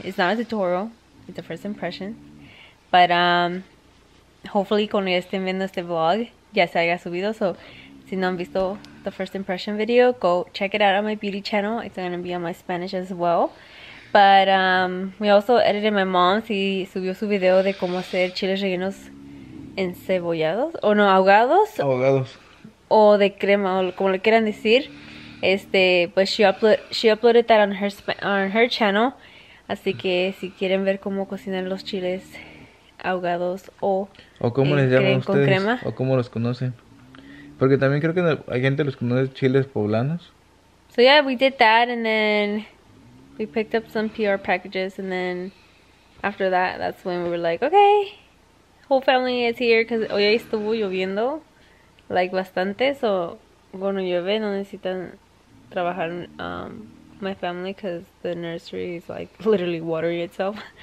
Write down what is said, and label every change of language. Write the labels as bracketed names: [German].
[English] It's not a tutorial. It's a first impression. But hopefully, [Spanish] cuando estén viendo este vlog, ya se haya subido. [English] So, [Spanish] si no han visto [English] the first impression video, go check it out on my beauty channel. It's going to be on my Spanish as well. But we also edited my mom's. [Spanish] Y subió su video de cómo hacer chiles rellenos encebollados. O no, ahogados. Ahogados. O de crema, o como le quieran decir. [English] But she uploaded that on her channel. [Spanish] Así que si quieren ver cómo cocinar los chiles ahogados o cómo les llaman ustedes, con crema. O cómo los conocen. Porque también creo que hay gente los conoce chiles poblanos. [English] So yeah, we did that, and then we picked up some PR packages, and then after that, that's when we were like, okay, whole family is here, because [Spanish] hoy estuvo lloviendo. [English] Like [Spanish] bastante, [English] so [Spanish] bueno, llueve, no necesitan trabajar [English] my family, because the nursery is like literally watering itself.